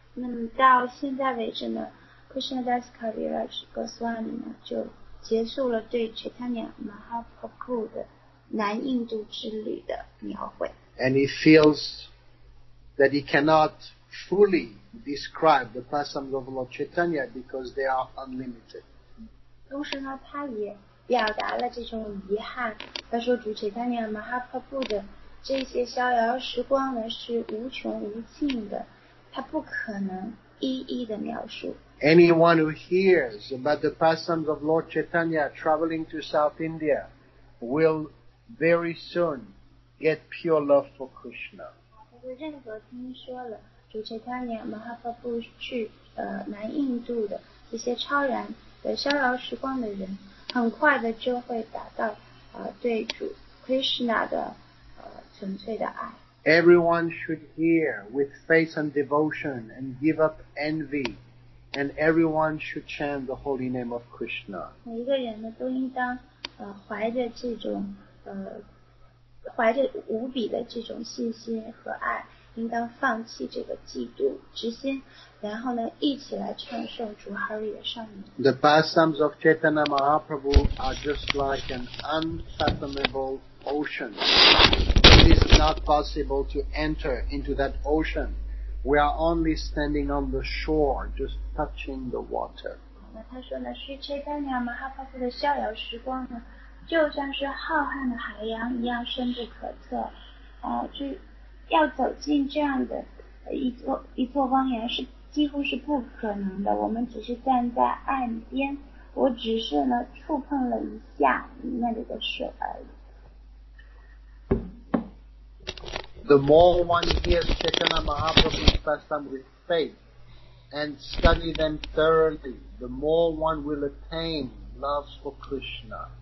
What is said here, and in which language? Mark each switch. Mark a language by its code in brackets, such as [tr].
[zh] 那么到现在为止呢，Krishnadas Kaviraj Goswami 呢就结束了对 Chaitanya Mahaprabhu 的南印度之旅的描绘。 [en] And he feels that he cannot fully describe the pastimes of Lord Chaitanya because they are unlimited. [zh] 同时呢，他也表达了这种遗憾。他说，主 Chaitanya Mahaprabhu 的这些逍遥时光呢是无穷无尽的，他不可能一一的描述。 [en] Anyone who hears about the pastimes of Lord Chaitanya traveling to South India will very soon get pure love for Krishna. [zh] 任何听说了主 Chaitanya Mahaprabhu 去南印度的这些超然的逍遥时光的人，很快的就会达到对主 Krishna 的纯粹的爱。 [en] Everyone should hear with faith and devotion and give up envy. And everyone should chant the holy name of Krishna. [zh] 每一个人呢都应当怀着这种怀着无比的这种信心和爱，应当放弃这个嫉妒之心，然后呢一起来唱诵主 Hari 的圣名。 [en] The pastimes of Chaitanya Mahaprabhu are just like an unfathomable ocean. It is not possible to enter into that ocean. We are only standing on the shore, just touching the water. [zh] 那他说呢，是 Chaitanya Mahaprabhu 的逍遥时光呢，就像是浩瀚的海洋一样深不可测。就要走进这样的一座汪洋是几乎是不可能的。我们只是站在岸边，我只是呢触碰了一下那里的水而已。 [en] The more one hears Chaitanya Mahaprabhu's pastime with faith and study them thoroughly, the more one will attain love for Krishna.